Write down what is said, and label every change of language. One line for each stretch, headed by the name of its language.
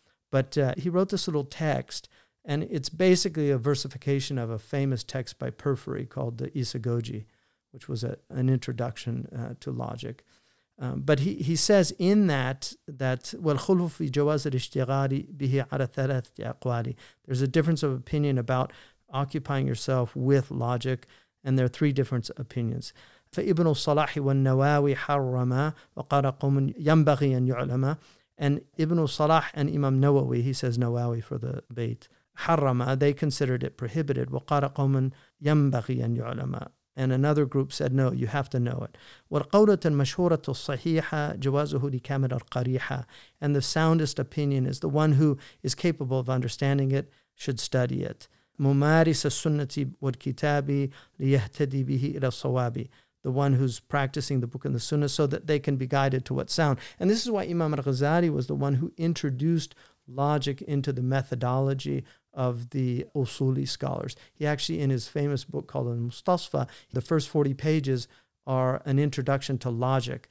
English: But he wrote this little text, and it's basically a versification of a famous text by Porphyry called the Isagoge, which was an introduction to logic. But he says in that
Arabic: وَالْخُلْفُ فِي جَوَازِ الْإِشْتِغَالِ بِهِ عَلَى ثَلَاثِ أَقْوَالِ.
English: There's a difference of opinion about occupying yourself with logic, and there are three different opinions.
Arabic: فإبن الصلاح والنواوي حرما وقال قوم ينبغي أن يعلما.
English: And Ibn al-Salah and Imam Nawawi, he says Nawawi for the bait,
Arabic: حرما,
English: they considered it prohibited.
Arabic: وقال قوم ينبغي أن يعلما.
English: And another group said, no, you have to know it.
Arabic: والقولة المشهورة الصحيحة جوازه لكامل القريحة.
English: And the soundest opinion is the one who is capable of understanding it should study it.
Arabic: ممارس السنة والكتاب ليهتدي به إلى الصواب.
English: The one who's practicing the book and the sunnah so that they can be guided to what's sound. And this is why Imam al-Ghazali was the one who introduced logic into the methodology of the Usuli scholars. He actually, in his famous book called Al-Mustasfa, the first 40 pages are an introduction to logic.